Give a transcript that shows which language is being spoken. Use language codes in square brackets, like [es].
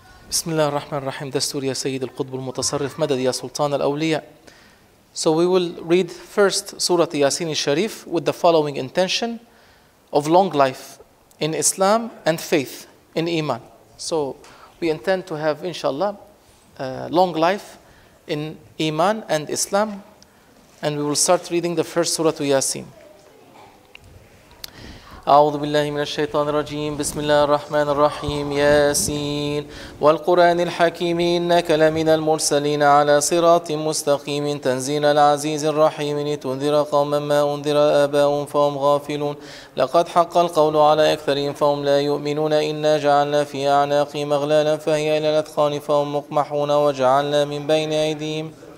[ar] بسم الله الرحمن الرحيم دستور يا سيد القطب المتصرف مدد يا سلطان الأولياء. [en] So we will read first Surah Yasin al-Sharif with the following intention of long life in Islam and faith in Iman. So we intend to have inshallah long life in Iman and Islam, and we will start reading the first Surah Yasin. [ar] أعوذ بالله من الشيطان الرجيم بسم الله الرحمن الرحيم ياسين والقرآن الحكيم إنك لمن المرسلين على صراط مستقيم تنزيل العزيز الرحيم لتنذر قوما ما أنذر آباؤهم فهم غافلون لقد حق القول على أكثرهم فهم لا يؤمنون إنا جعلنا في أعناقهم أغلالا فهي إلى الأذقان فهم مقمحون وجعلنا من بين أيديهم